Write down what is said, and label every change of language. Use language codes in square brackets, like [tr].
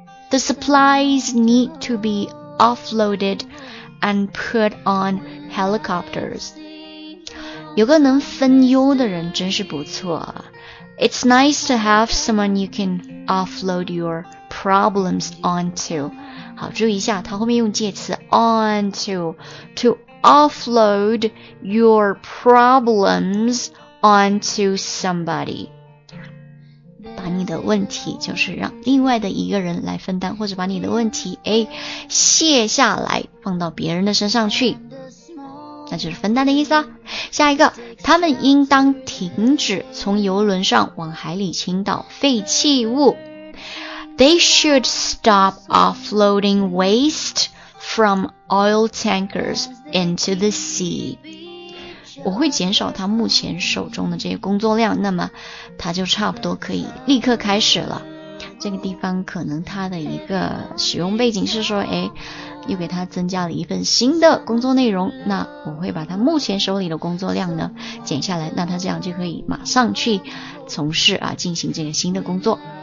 [en] The supplies need to be offloaded and put on helicopters. [zh] 有个能分忧的人真是不错。 [en] It's nice to have someone you can offload your problems onto. [zh] 好，注意一下，它后面用介词 onto. [en] To offload your problems onto somebody. [zh] 把你的问题就是让另外的一个人来分担，或者把你的问题卸下来放到别人的身上去，那就是分担的意思啊。下一个，他们应当停止从邮轮上往海里倾倒废弃物。 [en] They should stop offloading waste from oil tankers into the sea. [zh] 我会减少他目前手中的这些工作量，那么他就差不多可以立刻开始了。这个地方可能他的一个使用背景是说，又给他增加了一份新的工作内容，那我会把他目前手里的工作量呢减下来，那他这样就可以马上去从事啊，进行这个新的工作。